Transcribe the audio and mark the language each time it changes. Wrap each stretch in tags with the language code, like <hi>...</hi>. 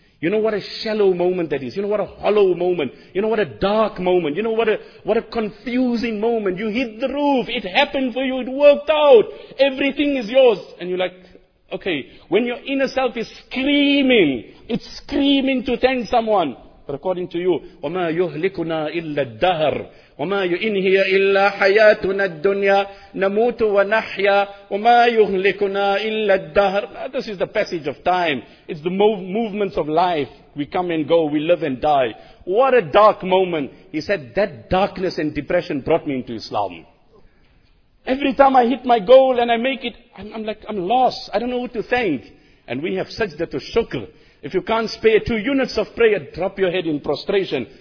<en>You know what a shallow moment that is. You know what a hollow moment. You know what a dark moment. You know what a confusing moment. You hit the roof. It happened for you. It worked out. Everything is yours. And you're like, okay. When your inner self is screaming, it's screaming to thank someone. But according to you,</en> <ar>وَمَا يُهْلِكُنَا إِلَّا الدَّهَرُ وَمَا يُنْهِيَ إِلَّا حَيَاتُنَا الدُّنْيَا نَمُوتُ وَنَحْيَا وَمَا يُهْلِكُنَا إِلَّا الدَّهَرُ.</ar> <en>This is the passage of time. It's the movements of life. We come and go, we live and die. What a dark moment. He said, that darkness and depression brought me into Islam. Every time I hit my goal and I make it, I'm like, I'm lost. I don't know who to thank. And we have sajda to shukr. If you can't spare 2 units of prayer, drop your head in prostration.</en>